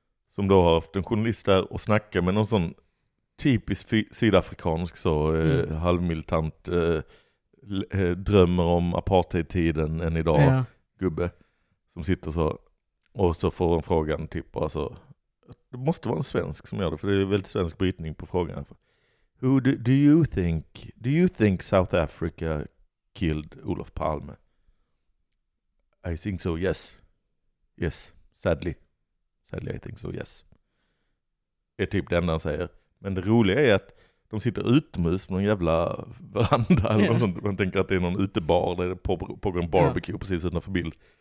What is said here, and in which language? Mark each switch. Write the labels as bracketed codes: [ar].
[sv] Som då har haft en journalist där och snackar med någon sån typisk sydafrikansk så halvmilitant drömmer om apartheid-tiden än idag, gubbe som sitter så, och så får en frågan typ, alltså det måste vara en svensk som gör det, för det är väldigt svensk brytning på frågan. [en] Who do you think South Africa killed Olof Palme? I think so, yes sadly I think so, yes, [sv] det är typ det enda han säger. Men det roliga är att de sitter utomhus på någon jävla veranda eller något sånt. Man tänker att det är någon utebar där det pågår en barbecue precis utanför bild.